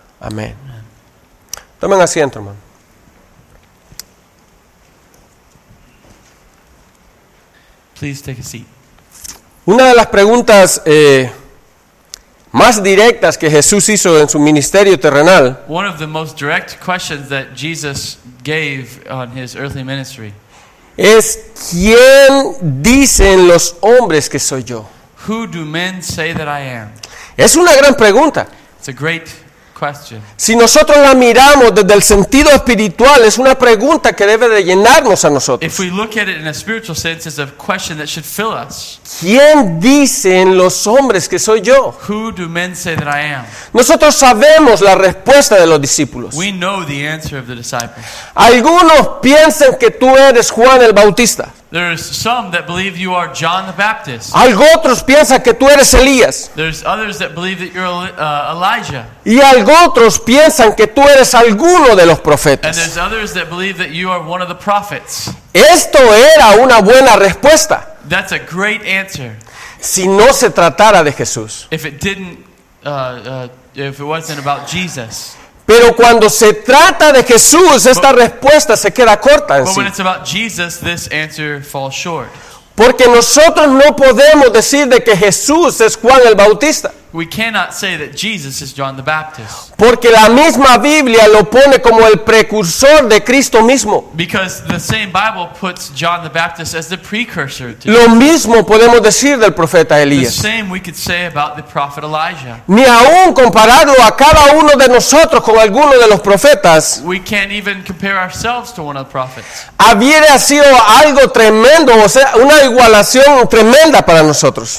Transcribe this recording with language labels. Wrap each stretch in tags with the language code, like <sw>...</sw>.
<es>Amén. Tomen asiento, hermano.</es> <en>Please take a seat.</en> <es>Una de las preguntas más directas que Jesús hizo en su ministerio terrenal.</es> <en>One of the most direct questions that Jesus gave on his earthly ministry.</en> <es>Es ¿quién dicen los hombres que soy yo?</es> <en>Who do men say that I am?</en> <es>Es una gran pregunta.</es> <en>It's a great.</en> <es>Si nosotros la miramos desde el sentido espiritual, es una pregunta que debe de llenarnos a nosotros.</es> <en>If we look at it in a spiritual sense, it's a question that should fill us.</en> <es>¿Quién dicen los hombres que soy yo?</es> <en>Who do men say that I am?</en> <es>Nosotros sabemos la respuesta de los discípulos.</es> <en>We know the answer of the disciples.</en> <es>Algunos piensan que tú eres Juan el Bautista.</es> <en>There's some that believe you are John the Baptist.</en> <es>Algo otros piensa que tú eres Elías.</es> <en>There's others that believe that you're Elijah.</en> <es>Y algo otros piensan que tú eres alguno de los profetas.</es> <en>And there's others that believe that you are one of the prophets.</en> <es>Esto era una buena respuesta.</es> <en>That's a great answer.</en> <es>Si no se tratara de Jesús.</es> <en>If it didn't if it wasn't about Jesus.</en> <es>Pero cuando se trata de Jesús, esta respuesta se queda corta en sí.</es> <en>Jesus, this answer falls short.</en> <es>Porque nosotros no podemos decir de que Jesús es Juan el Bautista.</es> <en>We cannot say that Jesus is John the Baptist.</en> <es>Porque la misma Biblia lo pone como el precursor de Cristo mismo.</es> <en>Because the same Bible puts John the Baptist as the precursor to.</en> <es>Lo mismo podemos decir del profeta Elías.</es> <en>The same we could say about the prophet Elijah.</en> <es>Ni aun compararlo a cada uno de nosotros con alguno de los profetas.</es> <en>We can't even compare ourselves to one of the prophets.</en> <es>Habría sido algo tremendo, o sea, una igualación tremenda para nosotros.</es>